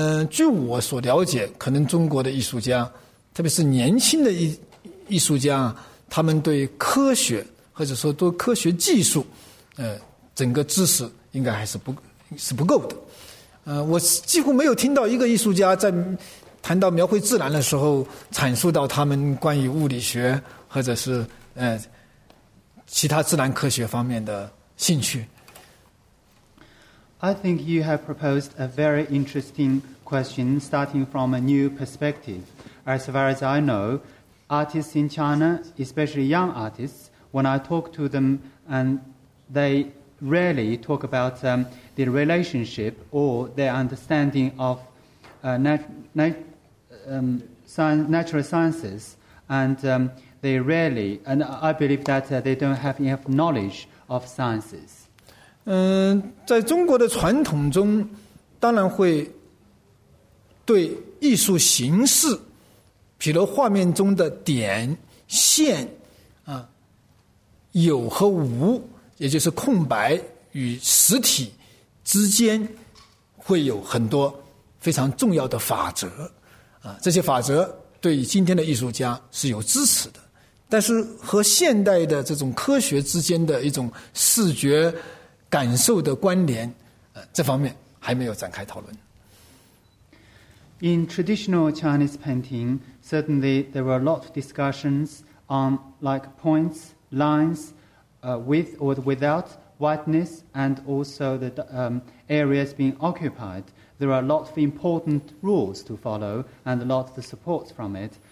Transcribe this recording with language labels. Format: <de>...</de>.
<zh>据我所了解，可能中国的艺术家，特别是年轻的艺术家，他们对科学或者说对科学技术，整个知识应该还是不够的。我几乎没有听到一个艺术家在谈到描绘自然的时候，阐述到他们关于物理学或者是其他自然科学方面的兴趣。</zh> <en>I think you have proposed a very interesting question starting from a new perspective. As far as I know, artists in China, especially young artists, when I talk to them, and they rarely talk about the relationship or their understanding of natural sciences, and they rarely, and I believe that they don't have enough knowledge of sciences.</en> <zh>在中国的传统中，当然会对艺术形式，比如画面中的点、线，有和无，也就是空白与实体之间，会有很多非常重要的法则，这些法则对今天的艺术家是有支持的，但是和现代的这种科学之间的一种视觉感受的关联，这方面还没有展开讨论。</zh> <en>In traditional Chinese painting, certainly there were a lot of discussions on like points, lines, with or without whiteness, and also the areas being occupied. There are a lot of important rules to follow and a lot of support from it.</en>